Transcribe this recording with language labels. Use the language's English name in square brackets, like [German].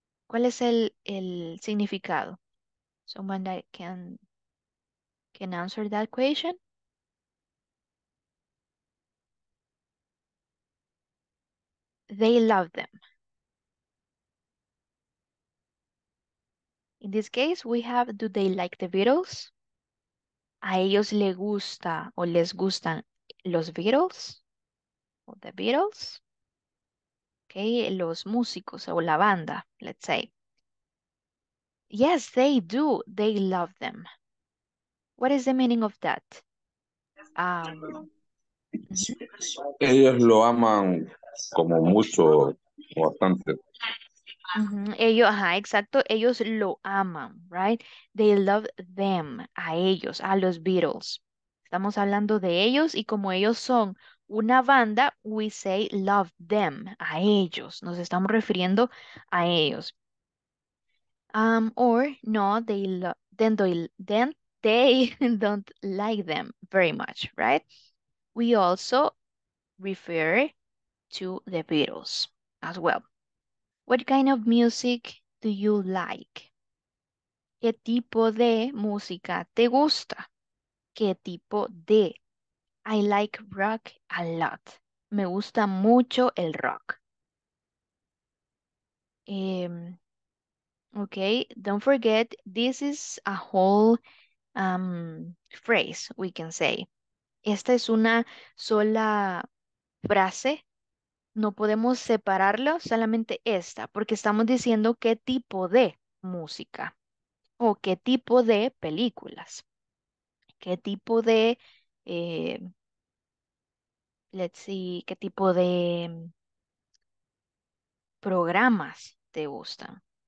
[Spanish] ¿Cuál es el significado? [English] Someone that can answer that question? They love them. In this case, we have, do they like the Beatles? [Spanish] ¿A ellos le gusta o les gustan los Beatles? ¿O the Beatles? Okay, los músicos o la banda, [English] let's say. Yes, they do. They love them. What is the meaning of that? [Spanish] Ellos lo aman como mucho, bastante. Exacto, ellos lo aman, right? [English] They love them, [Spanish] a ellos, a los Beatles. Estamos hablando de ellos y como ellos son una banda, [English] we say love them, [Spanish] a ellos. Nos estamos refiriendo a ellos. [English] Or no, they love then then they don't like them very much, right? We also refer to the Beatles as well. What kind of music do you like? [Spanish] ¿Qué tipo de música te gusta? ¿Qué tipo de? [English] I like rock a lot. [Spanish] Me gusta mucho el rock. [English] Okay, don't forget, this is a whole phrase, we can say. [Spanish] Esta es una sola frase. No podemos separarlo, solamente esta, porque estamos diciendo qué tipo de música o qué tipo de películas. ¿Qué tipo de, [English] let's see, [Spanish] qué tipo de programas te gustan?